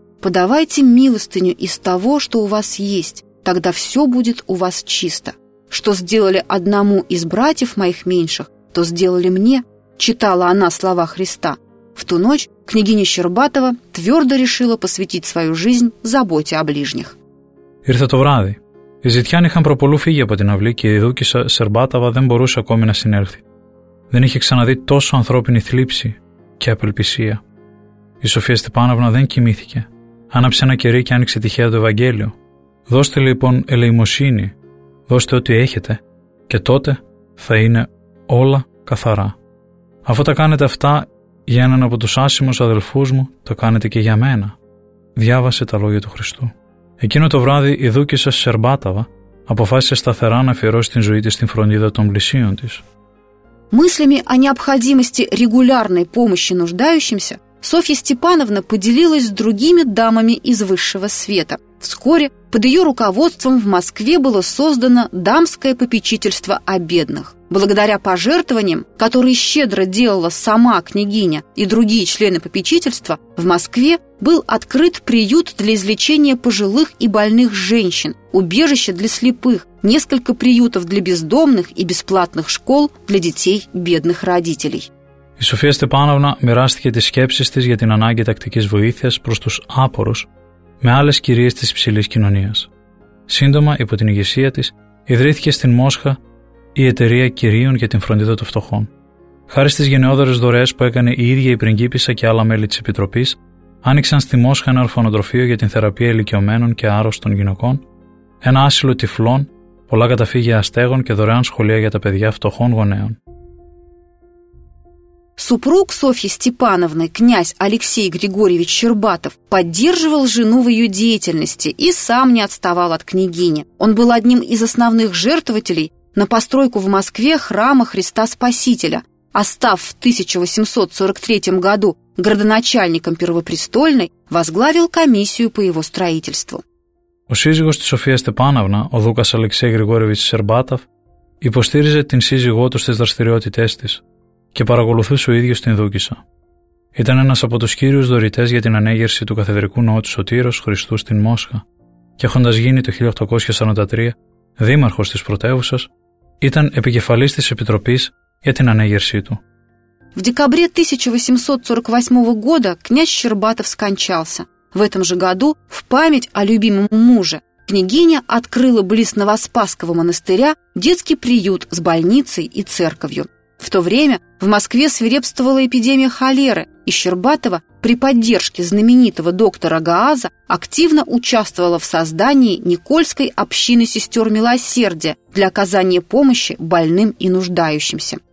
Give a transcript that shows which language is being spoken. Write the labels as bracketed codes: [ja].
[ru] «Подавайте милостыню из того, что у вас есть, тогда все будет у вас чисто. Что сделали одному из братьев моих меньших, то сделали мне», – читала она слова Христа. В ту ночь княгиня Щербатова твердо решила посвятить свою жизнь заботе о ближних. [el] Ήρθε το βράδυ. Οι ζητιάνοι είχαν προπολού φύγει από την αυλή και η Δούκισσα Σερμπάτοβα δεν μπορούσε ακόμη να συνέλθει. Δεν είχε ξαναδεί τόσο ανθρώπινη θλίψη και απελπισία. Η Σοφία Στεπάναυνα δεν κοιμήθηκε. Άναψε ένα κερί και άνοιξε τυχαία το Ευαγγέλιο. «Δώστε λοιπόν ελεημοσύνη, δώστε ό,τι έχετε και τότε θα είναι όλα καθαρά. Αφού τα κάνετε αυτά για έναν από τους άσημους αδελφούς μου, το κάνετε και για μένα», διάβασε τα λόγια του Χριστού. Εκείνο το βράδυ η Δούκισσα Σερμπάτοβα αποφάσισε σταθερά να αφιερώσει την ζωή της στην φροντίδα των πλησίων της. [ru] Мыслями о необходимости регулярной помощи нуждающимся Софья Степановна поделилась с другими дамами из высшего света. Вскоре под ее руководством в Москве было создано дамское попечительство о бедных. Благодаря пожертвованиям, которые щедро делала сама княгиня и другие члены попечительства, в Москве был открыт приют для излечения пожилых и больных женщин, убежище для слепых, несколько приютов для бездомных и бесплатных школ для детей бедных родителей. [el] Η Σοφία Στεπάναυνα μοιράστηκε τις σκέψεις της για την ανάγκη τακτικής βοήθειας προς τους άπορους με άλλες κυρίες της υψηλής κοινωνίας. Σύντομα, υπό την ηγεσία της, ιδρύθηκε στην Μόσχα η Εταιρεία Κυρίων για την Φροντίδα των Φτωχών. Χάρη στις γενναιόδωρες δωρεές που έκανε η ίδια η πριγκίπισσα και άλλα μέλη της Επιτροπής, άνοιξαν στη Μόσχα ένα ορφανοτροφείο για την θεραπεία ηλικιωμένων και άρρωστων γυναικών, ένα άσυλο τυφλών, πολλά καταφύγια αστέγων και δωρεάν σχολεία για τα παιδιά φτωχών γονέων. [ru] Супруг Софьи Степановны, князь Алексей Григорьевич Щербатов, поддерживал жену в ее деятельности и сам не отставал от княгини. Он был одним из основных жертвователей на постройку в Москве храма Христа Спасителя, а став в 1843 году градоначальником Первопрестольной, возглавил комиссию по его строительству. [el] Ο σύζυγος της Σοφίας Στεπάνωνα, ο Δούκας Αλεξέη Γρηγόριεβιτς Σερμπάτοφ, υποστήριζε την σύζυγό του στις δραστηριότητές της και παρακολουθούσε ο ίδιος την Δούκισσα. Ήταν ένας από τους κύριους δωρητές για την ανέγερση του καθεδρικού ναού του Σωτήρος Χριστού στην Μόσχα και έχοντας γίνει το 1843 δήμαρχος της πρωτεύουσας, ήταν επικεφαλής της Επιτροπής για την ανέγερσή του. [ru] В декабре 1848 года князь Щербатов скончался. В этом же году в память о любимом муже княгиня открыла близ Новоспасского монастыря детский приют с больницей и церковью. В то время в Москве свирепствовала эпидемия холеры, и Щербатова при поддержке знаменитого доктора Гааза активно участвовала в создании Никольской общины сестер милосердия для оказания помощи больным и нуждающимся.